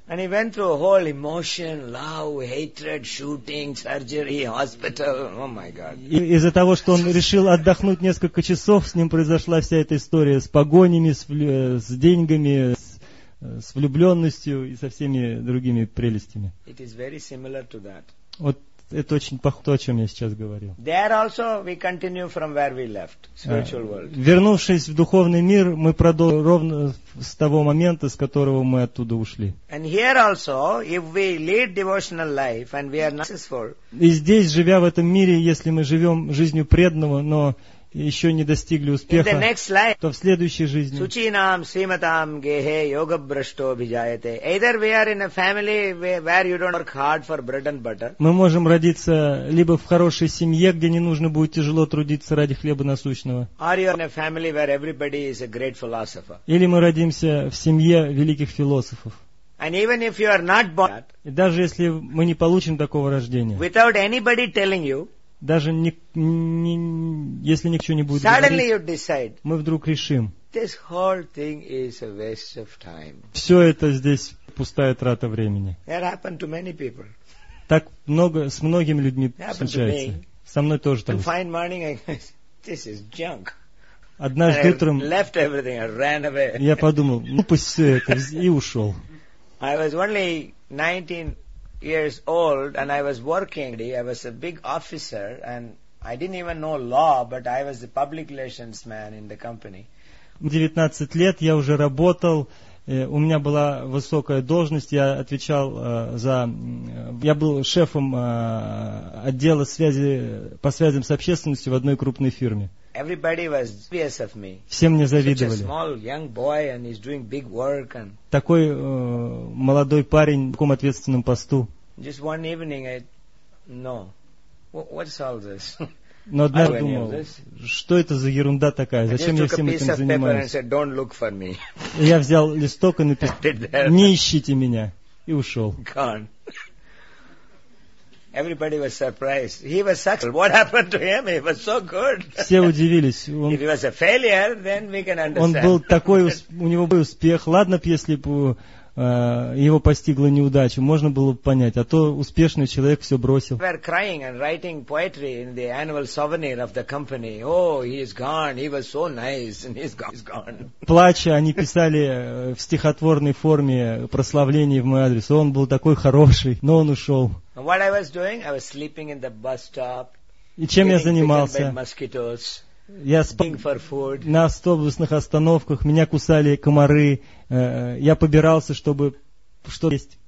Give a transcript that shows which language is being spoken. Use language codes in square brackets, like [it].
[en] And he went through a whole emotion, love, hatred, shooting, surgery, hospital. Oh my God. [ru] И из-за того, что он решил отдохнуть несколько часов, с ним произошла вся эта история с погонями, с деньгами, с влюбленностью и со всеми другими прелестями. [en] It is very similar to that. [ru] Вот. Это очень похоже на то, о чем я сейчас говорил. [en] There also we continue from where we left, spiritual world. [ru] Вернувшись в духовный мир, мы продолжим ровно с того момента, с которого мы оттуда ушли. [en] And here also, if we lead devotional life and we are not successful, [ru] и здесь, живя в этом мире, если мы живем жизнью преданного, но еще не достигли успеха, [en] in the next life, [ru] то в следующей жизни [sa] Сучинам, Сриматам, Гехе, Йога Брашто Бхижаете. [en] Either we are in a family where you don't work hard for bread and butter. [ru] Мы можем родиться либо в хорошей семье, где не нужно будет тяжело трудиться ради хлеба насущного. [en] Or you are in a family where everybody is a great philosopher. [ru] Или мы родимся в семье великих философов. [en] And even if you are not born, [ru] и даже если мы не получим такого рождения, [en] without anybody telling you, [ru] Даже если никто не будет [en] Suddenly [ru] говорить, [en] you decide, [ru] мы вдруг решим. [en] This whole thing is a waste of time. [ru] Все это здесь пустая трата времени. [en] That happened to many people. [ru] Так много с многими людьми случается. Со мной тоже так. [en] To find morning, I guess, this is junk. [ru] Однажды утром я подумал, ну пусть все это, и ушел. [en] I was only 19 years old and I was working. I was a big officer and I didn't even know law, but I was the public relations man in the company. [ru] 19 лет я уже работал, у меня была высокая должность, я отвечал за... Я был шефом отдела связи по связям с общественностью в одной крупной фирме. [en] Everybody was envious of me. [ru] Все мне завидовали. [en] Such a small young boy and he's doing big work and... [ru] Такой молодой парень в таком ответственном посту. [en] Just one evening I... No. What's all this? [ru] Но однажды я думал, что это за ерунда такая? Зачем я всем этим занимаюсь? [en] Said, Don't look for me. [ru] Я взял листок и написал, не ищите меня. И ушел. [en] Gone. Everybody was surprised. He was successful. What happened to him? He was so good. [ru] Все удивились. Он... [en] If he was a failure, then we can understand. [ru] Он был такой, у него был успех. Ладно, если бы его постигла неудача, можно было бы понять. А то успешный человек все бросил. [en] We were crying and writing poetry in the annual souvenir of the company. Oh, he is gone. He was so nice, and he's gone. [ru] Плача, они писали в стихотворной форме прославление в мой адрес. Он был такой хороший, но он ушел. [en] What I was doing? I was sleeping in the bus stop. [ru] И чем я занимался? [en] Mosquitoes. [ru] Я спал на автобусных остановках, меня кусали комары, я побирался, чтобы что-то есть.